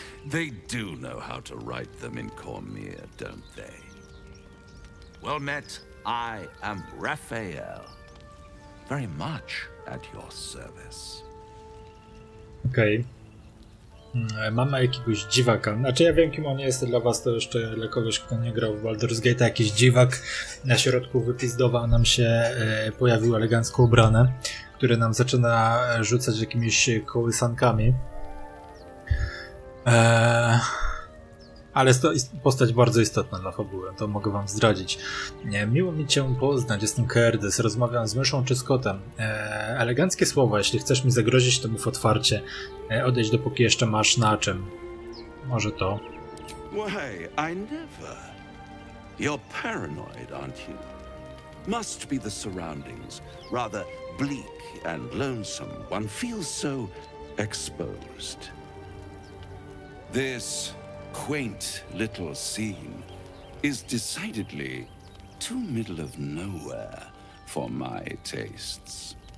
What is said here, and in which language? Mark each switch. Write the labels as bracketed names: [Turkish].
[English] They do know how to write them in Cormyr, don't they? Well met. I am Raphael. Very much at your service. [Polish] Okej. Okay. Mamy jakiegoś dziwaka. Znaczy ja wiem, kim on jest, dla was to jeszcze dla kogoś, kto nie grał w Baldur's Gate, jakiś dziwak na środku wypizdowa nam się pojawił, elegancko ubrany, który nam zaczyna rzucać jakimiś kołysankami. Ale jest to postać bardzo istotna dla fabuły, to mogę wam zdradzić. Miło mi cię poznać, jestem Kerdys, rozmawiam z myszą czy z kotem. Eleganckie słowa, jeśli chcesz mi zagrozić, to mów otwarcie. Odejdź, dopóki jeszcze masz na czym. Może to. [English] Why, I never. You're paranoid, aren't you? Must be the surroundings. Rather bleak and lonesome. One feels so exposed. This quaint little scene is decidedly too middle of nowhere for my tastes.